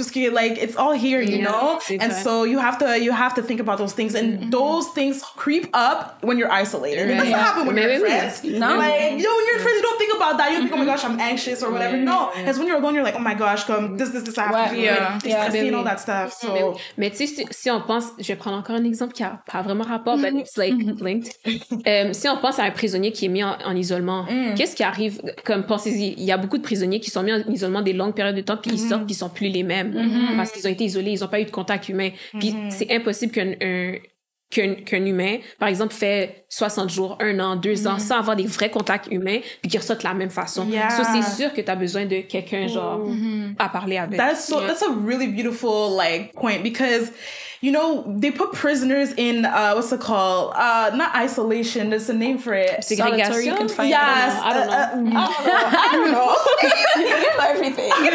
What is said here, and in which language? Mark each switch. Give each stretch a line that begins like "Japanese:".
English: Puski, like, it's all here, you yeah, know? Exactly. And so you have to think about those things, and mm-hmm. those things creep up when you're isolated. Right. It doesn't yeah. happen when maybe you're friends. No. Like, you know, when you're friends, you don't think about that. You don't think, mm-hmm. oh my gosh, I'm anxious or whatever. Yeah. No. Yeah. It's when you're alone, you're like, oh my gosh, come, this happened. Well, yeah. Yeah, yeah, all that stuff.
French: So, je vais prendre encore un exemple qui n'a pas vraiment rapport, mais c'est
English: like linked.
French: Si on pense à un prisonnier qui est mis en isolement, mm. qu'est-ce qui arrive? Comme pensez-y, il y a beaucoup de prisonniers qui sont mis en isolement des longues périodes de temps, puis ils mm. sortent, puis ils sont plus les mêmes mm-hmm. parce qu'ils ont été isolés, ils n'ont pas eu de contact humain. Mm-hmm. Puis c'est impossible qu'un humain, par exemple, fait 60 jours, 1 an, 2 ans, mm-hmm. sans avoir des vrais contacts humains, puis qu'ils ressortent de la même façon. Yeah. So, c'est sûr que tu as besoin de quelqu'un, genre, mm-hmm. à parler avec.
English: That's, so, yeah. that's a really beautiful, like, point, because, you know, they put prisoners in, what's it called? Not isolation, there's a name for it. Segregation? Yes. I don't know. Everything.